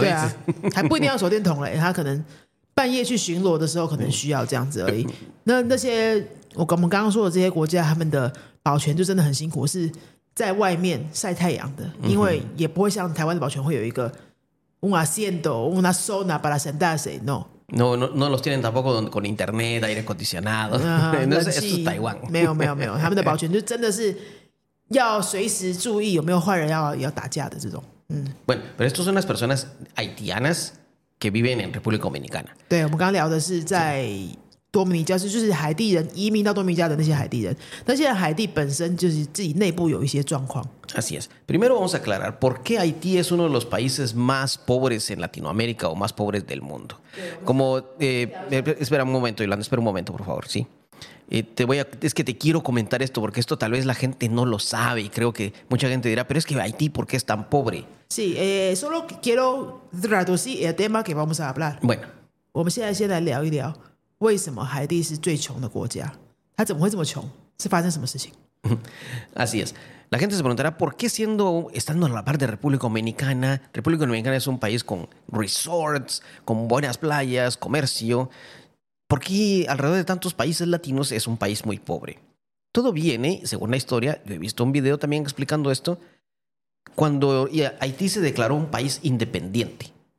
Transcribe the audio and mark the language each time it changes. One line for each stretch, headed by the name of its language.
Chinese: 对啊，还不一定要手电筒嘞，他可能半夜去巡逻的时候可能需要这样子而已。那些我们刚刚说的这些国家，他们的保全就真的很辛苦，是在外面晒太阳的，因为也不会像台湾的保全会有一个
Spanish: un asiento, una zona para sentarse, no. No los tienen tampoco con internet, aire acondicionado. No, eso es Taiwán.
Chinese: 没有，他们的保全就真的是。要随时注意有没有坏人要打架的这种。
Spanish: Bueno, pero estas son las personas haitianas que viven en República Dominicana.
Chinese: 对，我们刚刚聊的是在多米尼加，就是海地人移民到多米尼加的那些海地人。那现在海地本身就是自己内部有一些状况。
Spanish: Así es. Primero vamos a aclarar por qué Haití es uno de los países más pobres en Latinoamérica o más pobres del mundo. Como, espera un momento, Yolanda, espera un momento, por favor, sí. Es que te quiero comentar esto porque esto tal vez la gente no lo sabe y creo que mucha gente dirá, pero es que Haití, ¿por qué es tan pobre? Sí, solo quiero traducir el tema que vamos a hablar. Bueno,
Chinese: 我们现在先来聊一聊为什么海地是最穷的国家，它怎么会这么穷，是发生什么事情。
Spanish: Así es. La gente se preguntará por qué siendo, estando a la par de República Dominicana, República Dominicana es un país con resorts, con buenas playas, comercio, ¿por qué alrededor de tantos países latinos es un país muy pobre? Todo viene, según la historia, yo he visto un video también explicando esto, cuando Haití se declaró un país independiente.